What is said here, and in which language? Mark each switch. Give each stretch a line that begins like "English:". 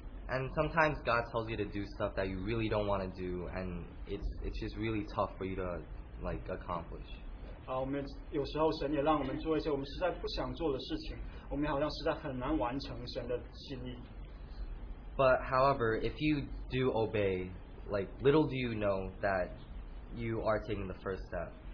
English: And sometimes God tells you to do stuff that you really don't want to do, and it's just really tough for you to like accomplish.
Chinese: 我们有时候神也让我们做一些我们实在不想做的事情，我们好像实在很难完成神的心意。
English: But however, if you do obey, like little do you know that you are taking the first step.